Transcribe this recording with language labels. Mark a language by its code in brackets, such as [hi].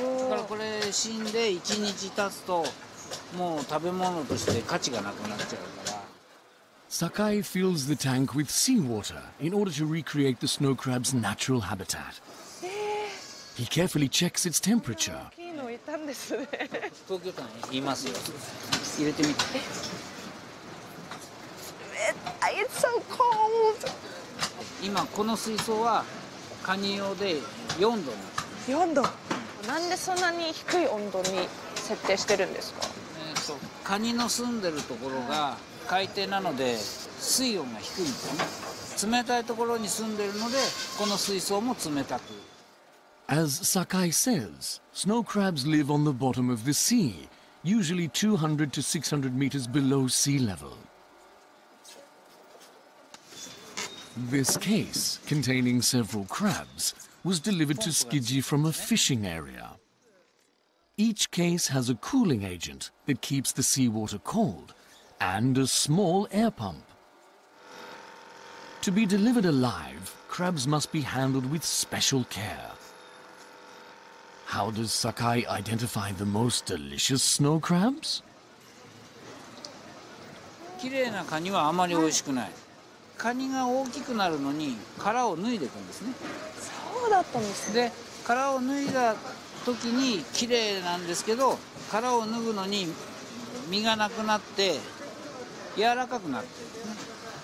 [ja] だからこれ死んで1日経つと、もう食べ物として価値がなくなっちゃうから。 [en] Sakai fills the tank with seawater in order to recreate the snow crab's natural habitat. He carefully checks its temperature. [ja] 大きいのいたんですね。東京館にいますよ。入れてみて。 [en] It's so cold! [ja] 今この水槽は、カニ用で4度なんです。 4度。なんでそんなに低い温度に設定してるんですか？カニの住んでるところが海底なので、水温が低いんですね。冷たいところに住んでいるので、この水槽も冷たく。 [en] As Sakai says, snow crabs live on the bottom of the sea, usually 200 to 600 meters below sea level. This case, containing several crabs, was delivered to Tsukiji from a fishing area. Each case has a cooling agent that keeps the seawater cold and a small air pump. To be delivered alive, crabs must be handled with special care. How does Sakai identify the most delicious snow crabs? [ja] きれいなカニはあまりおいしくない。カニが大きくなるのに殻を脱いでいくんですね。そうだったんですね。で、殻を脱いだ時にきれいなんですけど、殻を脱ぐのに身がなくなって柔らかくなってるんですね。